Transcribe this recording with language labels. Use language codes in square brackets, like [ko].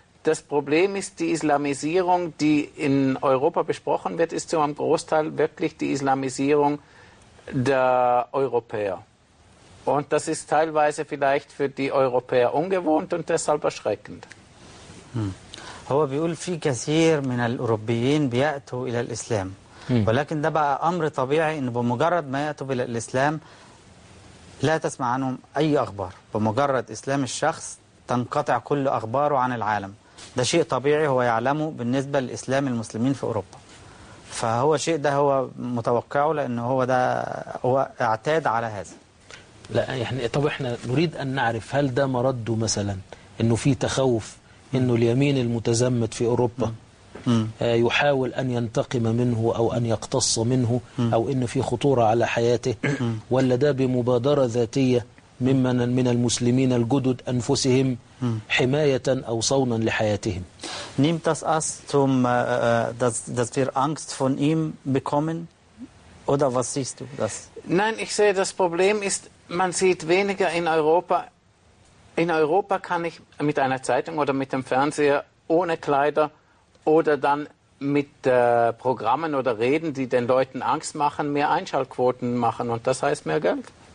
[de] Das Problem ist, die Islamisierung, die in Europa besprochen wird, ist zu einem Großteil wirklich die Islamisierung der Europäer. Und das ist teilweise vielleicht für die Europäer ungewohnt und deshalb erschreckend. [ar] هو بيقول في كثير من الأوروبيين بيأتوا إلى الإسلام، ولكن ده بقى أمر طبيعي إنه بمجرد ما يأتوا إلى الإسلام لا تسمع عنهم أي أخبار، بمجرد إسلام الشخص تنقطع كل أخباره عن العالم. ده شيء طبيعي هو يعلمه بالنسبة لإسلام المسلمين في أوروبا، فهو شيء ده هو متوقعه لأنه هو ده هو اعتاد على هذا. لا يعني طب إحنا نريد أن نعرف هل ده مرده مثلا إنه في تخوف إنه اليمين المتزمت في أوروبا يحاول أن ينتقم منه أو أن يقتص منه أو إن في خطورة على حياته، ولا ده بمبادرة ذاتية ممن من المسلمين الجدد أنفسهم حماية أو صونا لحياتهم. نيمت [de] das aus zum dass wir Angst von ihm bekommen oder was siehst du das? Nein, ich sehe das Problem ist, man sieht weniger in Europa. In Europa kann ich mit einer Zeitung oder mit dem Fernseher ohne Kleider oder dann mit Programmen oder Reden, die den Leuten Angst machen, mehr Einschaltquoten machen und das heißt mehr Geld.